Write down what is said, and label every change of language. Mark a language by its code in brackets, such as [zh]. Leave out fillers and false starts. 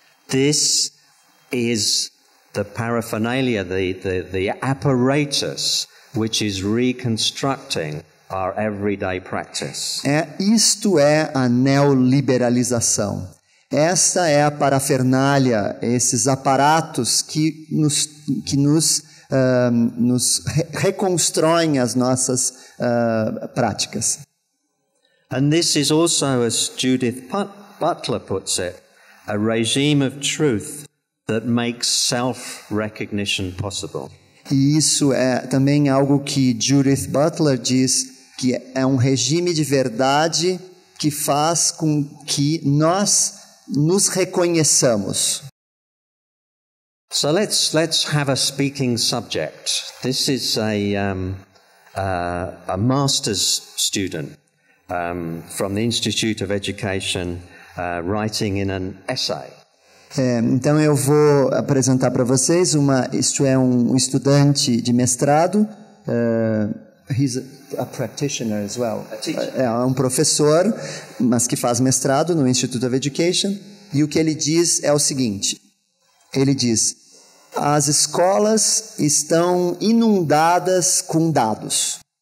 [en] This is the paraphernalia, the apparatus which is reconstructing our everyday practice. [pt] Isto é a neoliberalização. Essa é a parafernália, esses aparatos que nos reconstroem as nossas práticas. [en] And this is also, as Judith Butler puts it, a regime of truth that makes self-recognition possible. [pt] E isso é também algo que Judith Butler diz, que é um regime de verdade que faz com que nós nos reconheçamos. [en] So let's have a speaking subject. This is a master's student. From the Institute of Education, writing in an essay. [pt] Então eu vou apresentar para vocês um estudante de mestrado. [en] He's a practitioner as well. [pt] É um professor, mas que faz mestrado no Institute of Education. E o que ele diz é o seguinte. Ele diz: as escolas estão inundadas com dados.